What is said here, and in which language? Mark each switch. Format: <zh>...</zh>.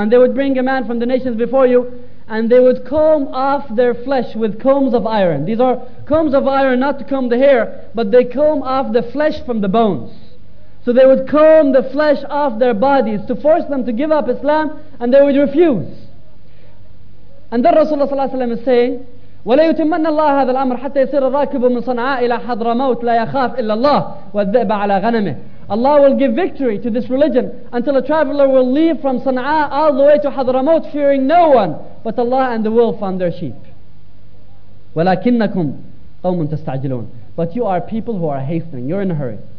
<en>And they would bring a man from the nations before you, and they would comb off their flesh with combs of iron. These are combs of iron, not to comb the hair, but they comb off the flesh from the bones. So they would comb the flesh off their bodies to force them to give up Islam, and they would refuse. And then Rasulullah صلى الله عليه وسلم is saying,</en> <ar>وَلَيُتِمَّنَّ اللَّهَ هَذَا الْأَمْرَ حَتَّى يَصِيرَ الرَّاكِبُ مِنْ صَنْعَاءَ إِلَى حَضْرَ مَوْتٍ لَا يَخَافُ إِلَّا اللَّهَ وَالذِّئْبَ عَلَى غَنَمِهِ.</ar> <en>Allah will give victory to this religion until a traveler will leave from Sana'a all the way to Hadramaut fearing no one but Allah and the wolf on their sheep.</en> <ar>وَلَكِنَّكُمْ قَوْمٌ تَسْتَعْجِلُونَ.</ar> <en>But you are people who are hastening. You're in a hurry.</en>